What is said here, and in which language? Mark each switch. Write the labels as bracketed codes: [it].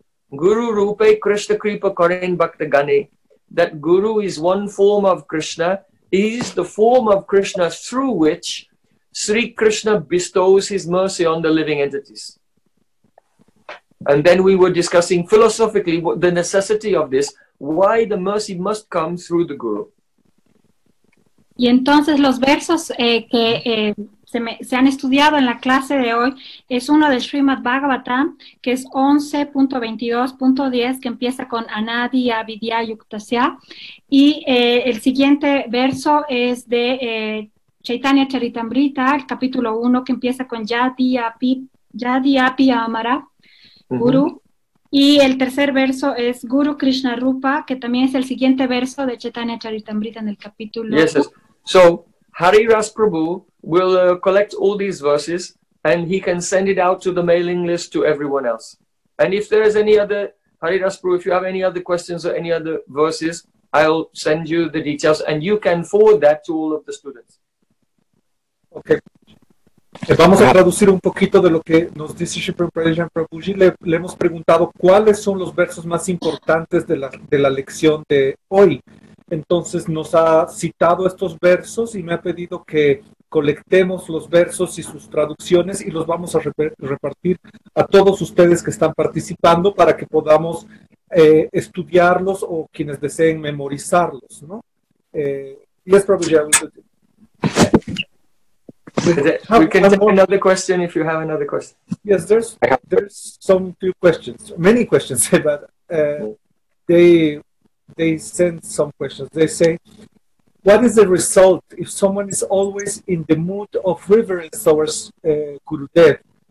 [bn] Guru Rupa Krishna Kripa Karen Bhakta Gane. [en] That Guru is one form of Krishna. He is the form of Krishna through which Sri Krishna bestows his mercy on the living entities. And then we were discussing philosophically what the necessity of this, why the mercy must come through the Guru. [es] Y entonces los versos se han estudiado en la clase de hoy es uno de Srimad Bhagavatam, que es 11.22.10, que empieza con Anadi Avidya Yuktasya. Y el siguiente verso es de Chaitanya Charitamrita, el capítulo 1, que empieza con Yadi Api Amara, Guru. Uh-huh. Y el tercer verso es Guru Krishna Rupa, que también es el siguiente verso de Chaitanya Charitamrita en el capítulo 1. [en] Yes. So, Hari Ras Prabhu will collect all these verses and he can send it out to the mailing list to everyone else. And if there is any other, Hari Ras Prabhu, if you have any other questions or any other verses, I'll send you the details and you can forward that to all of the students. [es] Okay. Vamos a traducir un poquito de lo que nos dice Shri Prabhupada Prabhuji. Le hemos preguntado cuáles son los versos más importantes de la lección de hoy. Entonces nos ha citado estos versos y me ha pedido que colectemos los versos y sus traducciones y los vamos a repartir a todos ustedes que están participando para que podamos estudiarlos o quienes deseen memorizarlos, ¿no? [en] Yes, Prabhuji. We can take another question if you have another question. Yes, there's some few questions, many questions, but they send some questions. They say, what is the result if someone is always in the mood of reverence towards Gurudev?